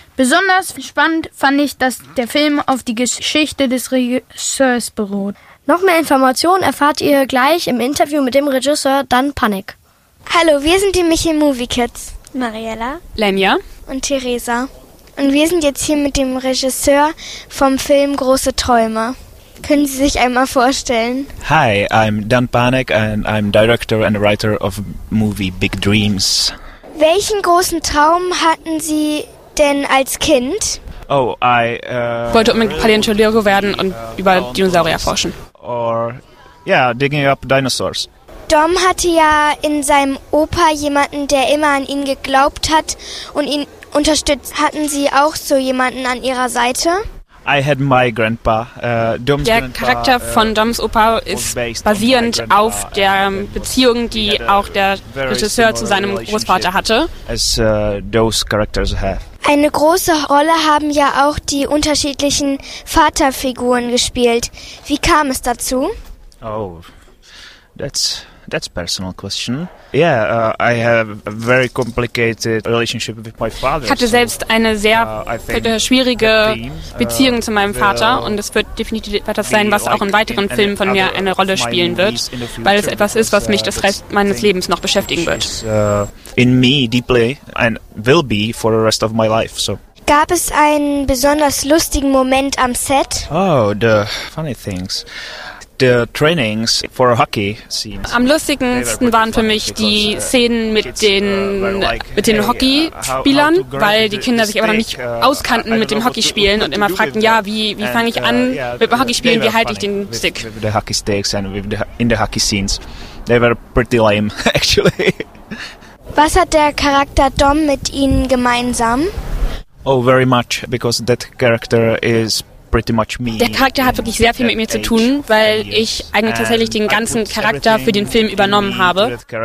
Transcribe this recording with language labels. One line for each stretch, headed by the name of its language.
German: Besonders spannend fand ich, dass der Film auf die Geschichte des Regisseurs beruht. Noch mehr Informationen erfahrt ihr gleich im Interview mit dem Regisseur Dan Panik. Hallo, wir sind die Michel Movie Kids. Mariella. Lenja. Und Theresa. Und wir sind jetzt hier mit dem Regisseur vom Film Große Träume. Können Sie sich einmal vorstellen?
English: Hi, I'm Dan Panek and I'm director and writer of movie Big Dreams.
German: Welchen großen Traum hatten Sie denn als Kind? Wollte unbedingt Paläontologe werden und über Dinosaurier forschen.
English: Digging up dinosaurs.
German: Dom hatte ja in seinem Opa jemanden, der immer an ihn geglaubt hat und ihn unterstützt. Hatten Sie auch so jemanden an Ihrer Seite?
English: I had my grandpa.
German: Dom's der grandpa, Charakter von Doms Opa ist basierend auf der Beziehung, die auch der Regisseur zu seinem Großvater hatte.
English: As those characters have.
German: Eine große Rolle haben ja auch die unterschiedlichen Vaterfiguren gespielt. Wie kam es dazu?
English: Oh, that's a personal question. Yeah, I have a very complicated relationship with my father.
German: Ich hatte selbst eine sehr schwierige Beziehung zu meinem Vater und es wird definitiv etwas sein, was auch in weiteren Filmen von mir eine Rolle spielen wird, weil es etwas ist, was mich das Rest meines Lebens noch beschäftigen wird.
English: In me deeply and will be for the rest of my life, so.
German: Gab es einen besonders lustigen Moment am Set?
English: Oh, the funny things. The trainings for hockey scenes.
German: Am lustigsten waren für mich die Szenen mit den Hockeyspielern, weil die Kinder sich aber noch nicht auskannten mit dem Hockeyspielen und immer fragten, ja, wie fange ich an mit dem Hockeyspielen, wie halte ich den Stick?
English: With the hockey sticks and in the hockey scenes. They were pretty lame, actually.
German: Was hat der Charakter Dom mit Ihnen gemeinsam?
English: Oh, very much, because that character is pretty much me.
German: Der Charakter hat wirklich sehr viel mit mir zu tun, weil ich eigentlich tatsächlich den ganzen Charakter für den Film übernommen habe.